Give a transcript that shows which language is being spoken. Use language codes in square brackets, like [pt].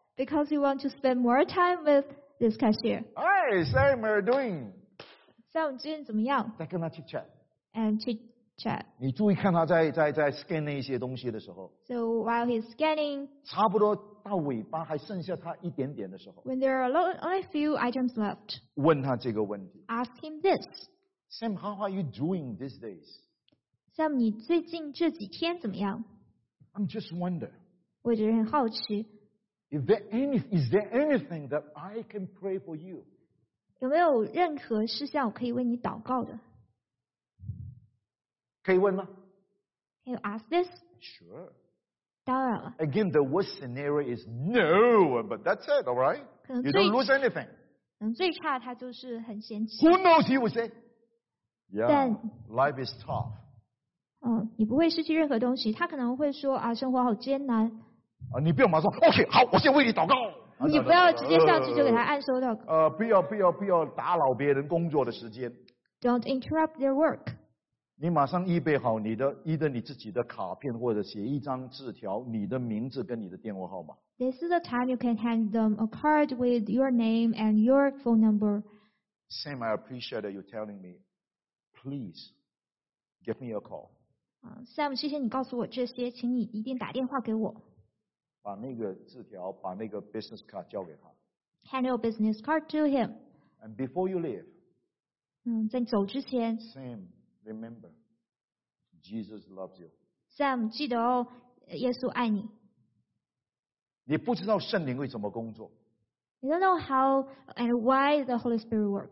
[en] Because you want to spend more time with this cashier。 Hi, Sam, how are you doing? [zh] Sam, 最近怎么样？再跟他 [en] chit chat。 And chit。 Chat. [zh] 你注意看他在 scan 那些东西的时候 [en] So while he's scanning [zh] 差不多到尾巴还剩下他一点点的时候 [en] When there are only a few items left [zh] 问他这个问题 [en] Ask him this Sam, how are you doing these days? [zh] Sam, 你最近这几天怎么样 [en] I'm just wonder [zh] 我觉得很好奇 [en] Is there anything that I can pray for you? [zh] 有没有任何事项我可以为你祷告的可以问吗 [en] Can you ask this? Sure. [zh] 当然了。 [en] Again, the worst scenario is no, but that's it, all right? You don't lose anything. [zh] 最差他就是很嫌弃。 [en] Who knows, he would say. Yeah, [zh] 但 [en] life is tough. [zh] 你不会失去任何东西。他可能会说啊，生活好艰难。你不要马上说 OK, 好，我先为你祷告。你不要直接上去就给他按收到。不要打扰别人工作的时间。 [en] Don't interrupt their work. [zh] 你马上预备好你的either你自己的卡片或者写一张字条你的名字跟你的电话号码 [en] This is the time you can hand them a card with your name and your phone number Sam, I appreciate you telling me Please give me a call [zh] Sam, 谢谢你告诉我这些请你一定打电话给我把那个字条把那个 business card 交给他 [en] Hand your business card to him And before you leave [zh] 在走之前 [en] SamRemember, Jesus loves you. [zh] Sam, 记得哦，耶稣爱你。你不知道圣灵会怎么工作。 [en] You don't know how and why the Holy Spirit works.